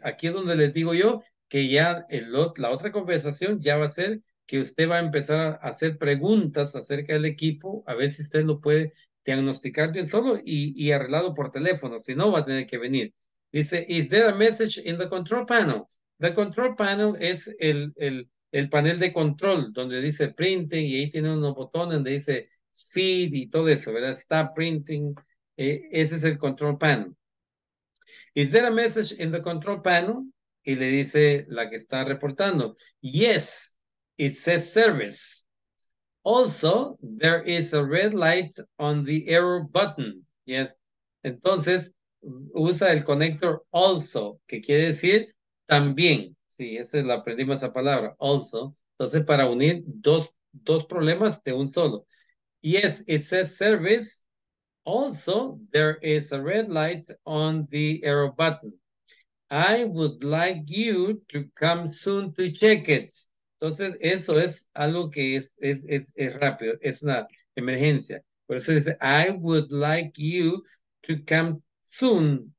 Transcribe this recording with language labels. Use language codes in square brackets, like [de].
[es] Aquí es donde les digo yo que ya la otra conversación ya va a ser que usted va a empezar a hacer preguntas acerca del equipo, a ver si usted lo puede diagnosticar bien solo y arreglado por teléfono, si no va a tener que venir. Dice, [en] is there a message in the control panel? The control panel [es] es el panel de control donde dice printing y ahí tiene unos botones donde dice feed y todo eso, ¿verdad? Está printing, ese es el control panel. [en] Is there a message in the control panel? [es] Y le dice la que está reportando. [en] Yes, it says service. Also, there is a red light on the error button. Yes. [es] Entonces, usa el conector also, que quiere decir también. Sí, esa es la aprendimos esa palabra, also. Entonces, para unir dos problemas de un solo. [en] Yes, it says service. Also, there is a red light on the error button. I would like you to come soon to check it. [es] Entonces, eso es algo que es rápido, es una emergencia. Por eso dice, [en] I would like you to come soon.